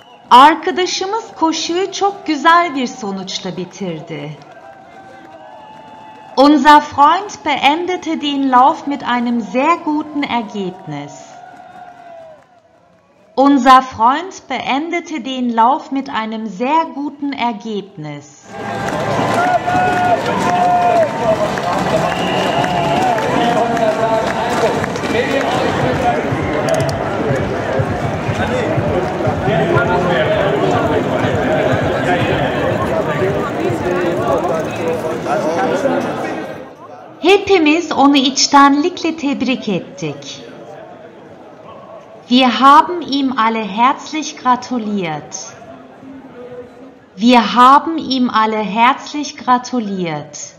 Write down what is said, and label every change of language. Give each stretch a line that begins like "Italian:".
Turkish: Arkadaşımız koşuyu çok güzel bir sonuçla bitirdi.
German: Unser Freund beendete den Lauf mit einem sehr guten Ergebnis. Unser Freund beendete den Lauf mit einem sehr guten Ergebnis.
Turkish: Hepimiz onu içtenlikle tebrik ettik.
German: Wir haben ihm alle herzlich gratuliert. Wir haben ihm alle herzlich gratuliert.